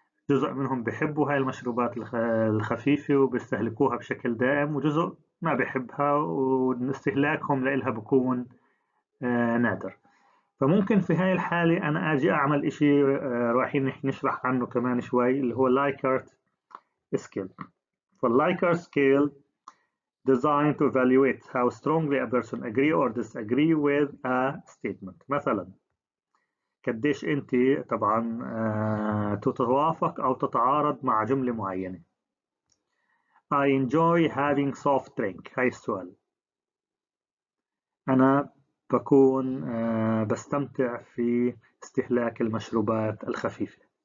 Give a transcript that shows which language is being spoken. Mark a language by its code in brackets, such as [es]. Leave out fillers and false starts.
[ar] جزء منهم بيحبوا هاي المشروبات الخفيفة وبيستهلكوها بشكل دائم، وجزء ما بيحبها واستهلاكهم لإلها بكون نادر. فممكن في هاي الحالة أنا أجي أعمل إشي رايحين نشرح عنه كمان شوي اللي هو Likert Scale. [en] فالLikert Scale designed to evaluate how strongly a person agree or disagree with a statement. [ar] مثلا كديش أنت طبعا تتوافق أو تتعارض مع جملة معينة. [en] I enjoy having soft drink. [ar] هاي السؤال، أنا بكون بستمتع في استهلاك المشروبات الخفيفة.